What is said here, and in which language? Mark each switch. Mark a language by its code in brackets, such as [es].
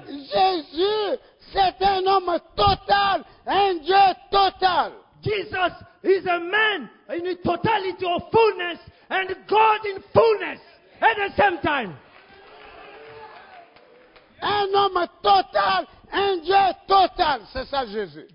[fr] Jésus, c'est un homme total, un Dieu total. [en] Jesus is a man in the totality of fullness and God in fullness at the same time. [fr] Un homme total, un Dieu total, c'est ça Jésus.